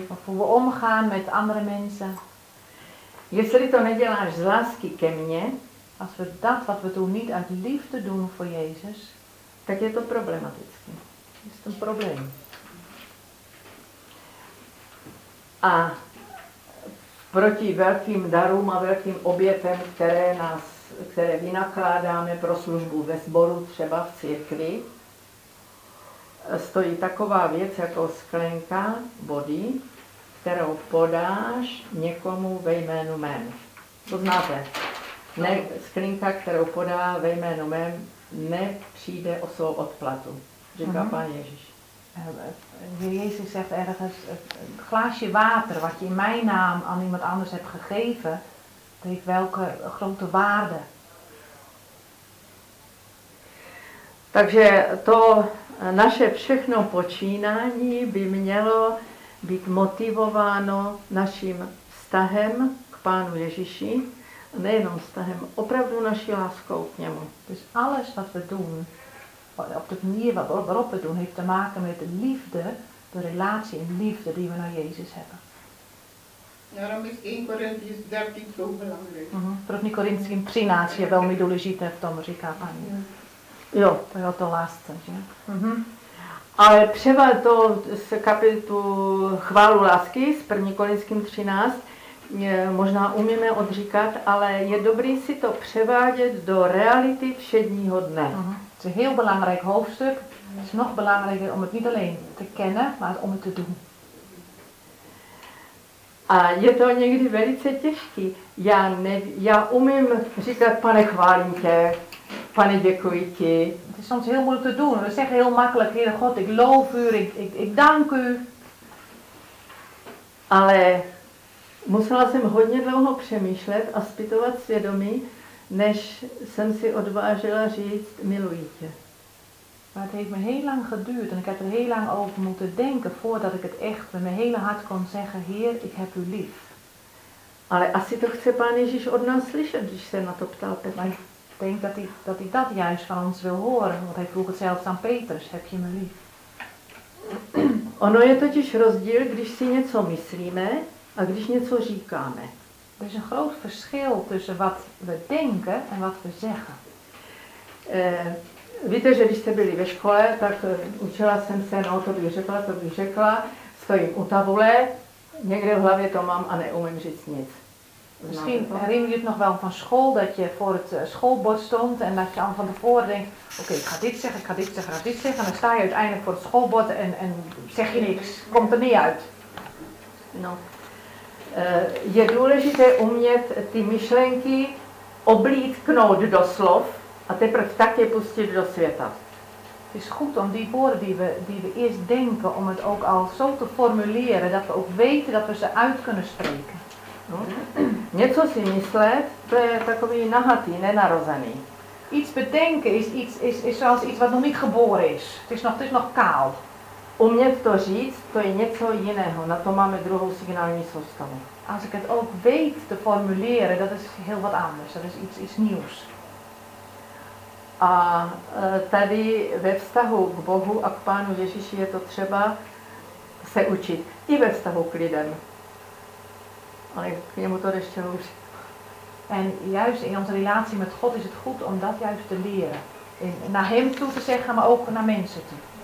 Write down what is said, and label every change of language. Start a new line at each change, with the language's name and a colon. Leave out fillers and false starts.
Dutch: Of hoe we omgaan met andere mensen.
Czech: Jestli to neděláš z lásky ke mně.
Dutch: Als we dat wat we doen niet uit liefde doen voor Jezus.
Czech: Tak je to problematicky.
Dutch: Is het een probleem.
Czech: A proti velkým darům a velkým obětem, které vynakládáme pro službu ve sboru, třeba v církvi, stojí taková věc jako sklenka vody, kterou podáš někomu ve jménu mém. To znáte. Ne, skrinka, kterou podá ve jménu mém, nepřijde o svou odplatu, říká Pán Ježíš.
Dutch: Jezus zegt ergens, glaasje water wat je in mijn naam aan iemand anders hebt gegeven, het heeft welke grote waarde.
Czech: Takže to naše všechno počínání by mělo být motivováno naším vztahem k Pánu Ježíši, nejenom vztahem, opravdu naší láskou k němu.
Dutch: Dus alles wat we doen, op de manier waarop we doen, heeft te maken met de liefde, de relatie en liefde die we naar Jezus hebben. Daarom is 1 Korintiërs 13 zo belangrijk.
Czech: 1 Korintiërs 13 je velmi důležité v tom, říká paní. Jo, to je to lásce, že? Ale převa to z kapitu chválu lásky z 1 Korintským 13 je, možná umíme odříkat, ale je dobrý si to převádět do reality všedního dne.
Dutch: To je heel belangrijk hoofdstuk. Het is nog belangrijker om het niet alleen te kennen, maar om het te doen.
Czech: A je to někdy velice těžký. Já umím říkat, pane, chválím tě. Pane, děkuji ti.
Dutch: Het is soms heel moeilijk te doen. We zeggen heel makkelijk, Heere God, ik loof u, ik dank u.
Czech: Ale musela jsem hodně dlouho přemýšlet a zpytovat svědomí, než jsem si odvážila říct, miluji tě.
Dutch: Maar het heeft me heel lang geduurd en ik heb er heel lang over moeten denken voordat ik het echt met mijn hele hart kon zeggen, Heer, ik heb u lief.
Czech: Ale asi to chce Pán Ježíš od nás slyšet, když se na to ptal Petr.
Dutch: Ik denk dat hij dat juist van ons wil horen, want hij vroeg het zelfs aan Petrus, heb je me lief?
Czech: Ono je totiž rozdíl, když si něco myslíme a když něco říkáme.
Dutch: Er is een groot verschil tussen wat we denken en wat we zeggen.
Czech: Víte, že když jste byli ve škole, tak učila jsem se, no to bych řekla, stojím u tabule, někde v hlavě to mám a neumím říct nic.
Dutch: Misschien herinner je het nog wel van school, dat je voor het schoolbord stond en dat je al van tevoren denkt, oké, ik ga dit zeggen, en dan sta je uiteindelijk voor het schoolbord en zeg je niks, komt er niet uit.
Czech: Je důležité umět ty myšlenky oblíknout do slov a teprve tak je pustit do světa.
Dutch: Het is goed om die woorden die we eerst denken, om het ook al zo te formuleren, dat we ook weten dat we ze uit kunnen spreken.
Czech: Něco si myslet, to je takový nahatý, nenarozený.
Dutch: Iets bedenken is zoals iets wat nog niet geboren is. Het is nog kaal.
Czech: Umět to říct, to je něco jiného. Na to máme druhou signální soustavu.
Dutch: Als ik het ook weet te formuleren, dat is heel wat anders. Dat is iets nieuws.
Czech: A tady ve vztahu k Bohu a k Pánu Ježíši je to třeba se učit. I ve vztahu k lidem. Ale k němu to ještě hůř.
Dutch: En juist in onze relatie met God is het goed om dat juist te leren. Naar hem toe te zeggen, maar ook naar mensen toe.